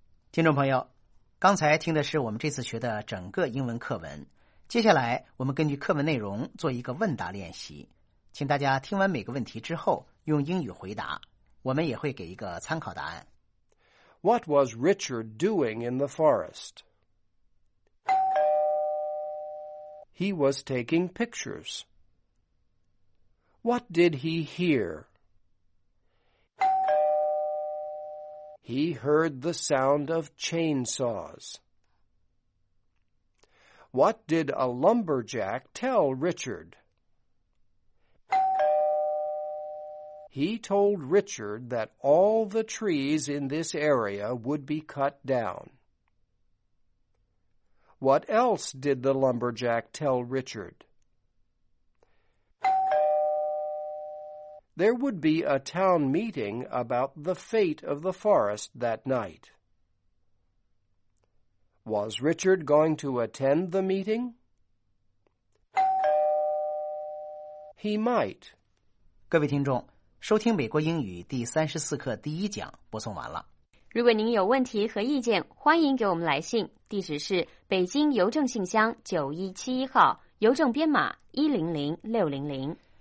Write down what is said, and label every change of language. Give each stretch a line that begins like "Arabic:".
Chinese: 听众朋友，刚才听的是我们这次学的整个英文课文。接下来，我们根据课文内容做一个问答练习，请大家听完每个问题之后用英语回答。我们也会给一个参考答案。
English: What was Richard doing in the forest? He was taking pictures. What did he hear? He heard the sound of chainsaws. What did a lumberjack tell Richard? He told Richard that all the trees in this area would be cut down. What else did the lumberjack tell Richard? There would be a town meeting about the fate of the forest that night. Was Richard going to attend the meeting? He might.
Chinese: 各位听众，收听美国英语第34课第一讲播送完了。如果您有问题和意见，欢迎给我们来信，地址是北京邮政信箱9171号，邮政编码100600。